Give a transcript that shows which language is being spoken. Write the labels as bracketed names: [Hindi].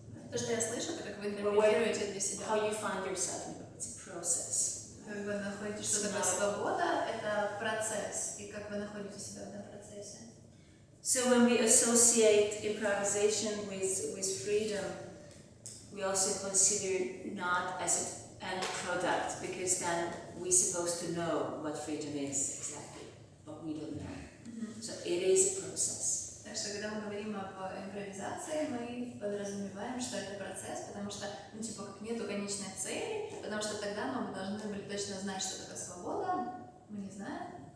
[Russian] То, что я слышу, это как вы интерпретируете для себя. [English] How you find yourself, it's a process. [Russian] Как вы находите, что такое свобода, это процесс. И как вы находите себя в этом процессе? [English] So when we associate improvisation with freedom, we also consider not as an end product, because then we're supposed to know what freedom is exactly, but we don't know. Mm-hmm. So it is a process. [Russian] Так что когда мы говорим об импровизации, мы подразумеваем, что это процесс, потому что ну типа как нету конечной цели, потому что тогда мы должны были точно знать, что такое свобода, мы не знаем.